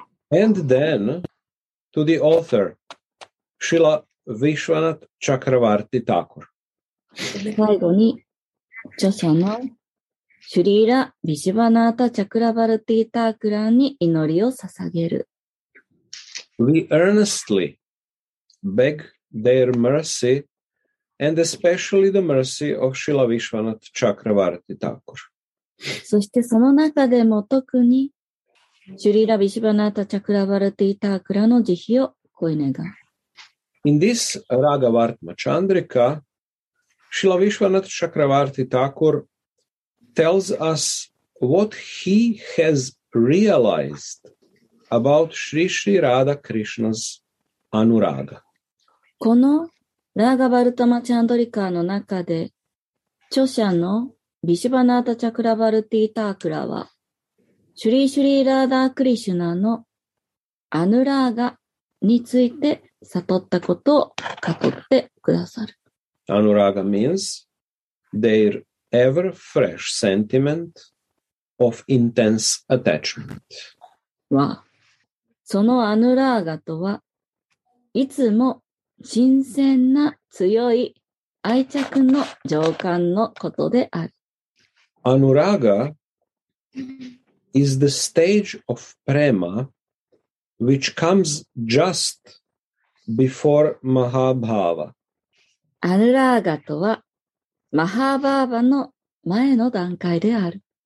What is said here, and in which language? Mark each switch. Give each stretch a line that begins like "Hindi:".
English: And then, to the author, シラ・ヴィシュワナ・チャクラワーティ・タコル。
Japanese: 最後に、著者のシュリラ・ヴィシュワナータ・チャクラワーティ・タクラに祈りを捧げる。
English: We earnestly beg their mercy, and especially the mercy of Srila Vishwanath Chakravarti Thakur.
Japanese: そしてその中でも特にシュリラ・ビシュヴァナタ・チャクラヴァルティ・タークラの慈悲をこう願う。
English: In this Ragavartma Chandrika, Srila Vishwanath Chakravarti Thakur tells us what he has realized about Sri Sri Radha Krishna's Anuraga.
Japanese: このラガバルタマ・チャンドリカの中で著者のビシュヴァナタ・チャクラヴァルティ・タークラはシュリシュリラーダークリシュナのアヌラーガについて悟ったことを語ってくださる。
English: アヌラーガ means their ever fresh sentiment of intense attachment.
Japanese: わ、そのアヌラーガとはいつも新鮮な強い愛着の情感のことである。
English: アヌラーガis the stage of prema which comes just before mahabhava.
Japanese: Anuraga とは mahabhava の前の段階である。